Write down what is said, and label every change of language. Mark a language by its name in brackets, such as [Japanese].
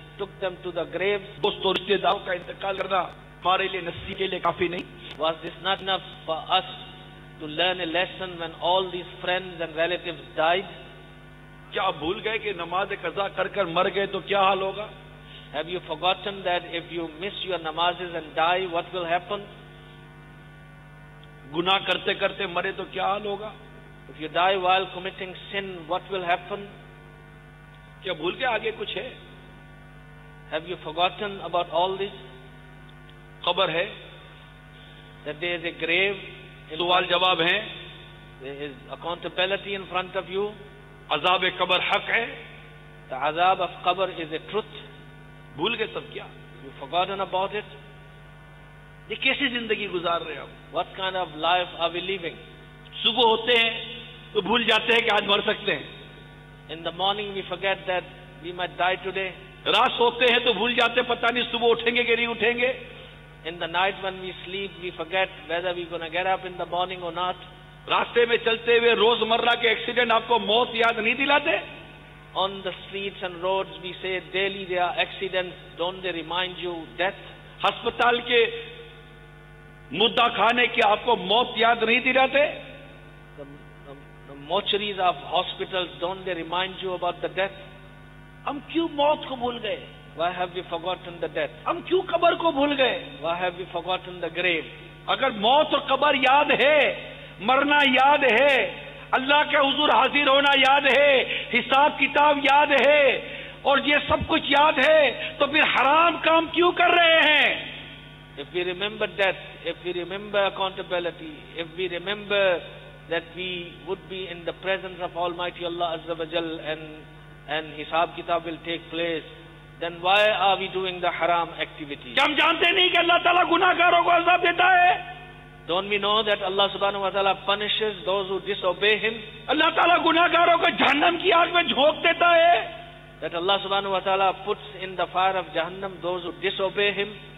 [English] took them to the graves. [Urdu] دوستوں رشتے داروں کا انتقال کرنا ہمارے لیے نصیب کے لیے کافی نہیں. [English] Was this not enough for us to learn a lesson when all these friends and relatives died? [Urdu] کیا بھول گئے کہ نماز قضا کر کر مر گئے تو کیا حال ہوگا؟ [English] Have you forgotten that if you miss your namazes and die, what will happen? [Urdu] گناہ کرتے کرتے مرے تو کیا حال ہوگا؟ [English] If you die while committing sin, what will happen? [Urdu] کیا بھول گئے آگے کچھ ہے؟ [English] Have you forgotten about all this? [Urdu] خبر ہے. [English] That there is a grave. [Urdu] سوال جواب ہیں. [English] There is accountability in front of you. [Urdu] عذاب قبر حق ہے. [English] The عذاب of قبر is a truth. [Urdu] بھول گئے سب کیا؟ [English] You forgotten about it? [Urdu] یہ کیسی زندگی گزار رہے ہیں آپ؟ [English] What kind of life are we living? [Urdu] صبح ہوتے ہیں تو بھول جاتے ہیں کہ آج مر سکتے ہیں. [English] In the morning we forget that we might die today. [Urdu] رات سوتے ہیں تو بھول جاتے ہیں پتہ نہیں صبح اٹھیں گے کہ نہیں اٹھیں گے. [English] In the night when we sleep we forget whether we're going to get up in the morning or not. [Urdu] راستے میں چلتے ہوئے روز مرہ کے ایکسیڈنٹ آپ کو موت یاد نہیں دلاتے؟ [English] On the streets and roads we say daily there are accidents, don't they remind you death? [Urdu] ہسپتال کے مدعا خانے کی آپ کو موت یاد نہیں دلاتے؟ [English] The mortuaries of hospitals, don't they remind you about the death? [Urdu] ہم کیوں موت کو بھول گئے؟ [English] Why have we forgotten the death? [Urdu] ہم کیوں قبر کو بھول گئے؟ [English] Why have we forgotten the grave? [Urdu] اگر موت اور قبر یاد ہے، مرنا یاد ہے، اللہ کے حضور حاضر ہونا یاد ہے، حساب کتاب یاد ہے، اور یہ سب کچھ یاد ہے، تو پھر حرام کام کیوں کر رہے ہیں؟ [English] If we remember death, if we remember accountability, if we remember that we would be in the presence of Almighty Allah Azza wa Jal and Hisab Kitab will take place, then why are we doing the haram activity? [Urdu] ہم جانتے نہیں کہ اللہ تعالیٰ گناہگاروں کو عذاب دیتا ہے؟ [English] Don't we know that Allah subhanahu wa ta'ala punishes those who disobey him? [Urdu] اللہ تعالیٰ گناہگاروں کو جہنم کی آگ میں جھونک دیتا ہے؟ [English] That Allah subhanahu wa ta'ala puts in the fire of Jahannam those who disobey him?